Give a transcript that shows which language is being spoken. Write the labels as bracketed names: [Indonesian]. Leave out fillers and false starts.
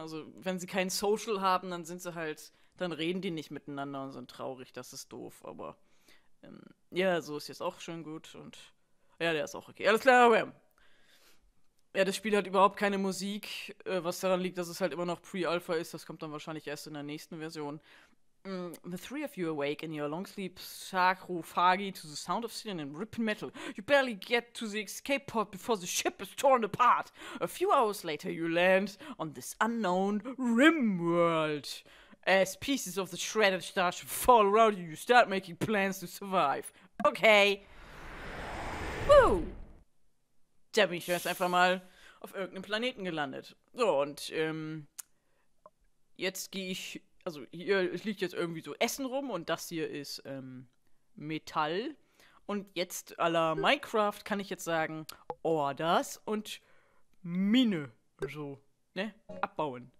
[German] Also, wenn sie kein Social haben, dann sind sie halt, dann reden die nicht miteinander und sind traurig, das ist doof. Aber, ja, so ist jetzt auch schon gut. Und, ja, der ist auch okay. Alles klar, bam. Ja, das Spiel hat überhaupt keine Musik. Was daran liegt, dass es halt immer noch Pre-Alpha ist, das kommt dann wahrscheinlich erst in der nächsten Version. [English] The three of you awake in your long sleep, sacrophagi to the sound of sin and ripping metal. You barely get to the escape pod before the ship is torn apart. A few hours later you land on this unknown Rimworld. As pieces of the shredded starship fall around you, you start making plans to survive. Okay. Woo! [German] Da bin ich jetzt einfach mal auf irgendeinem Planeten gelandet. So, und jetzt gehe ich. Also, hier liegt jetzt irgendwie so Essen rum und das hier ist Metall. Und jetzt à la Minecraft kann ich jetzt sagen, oh, das und Mine. So, ne? Abbauen.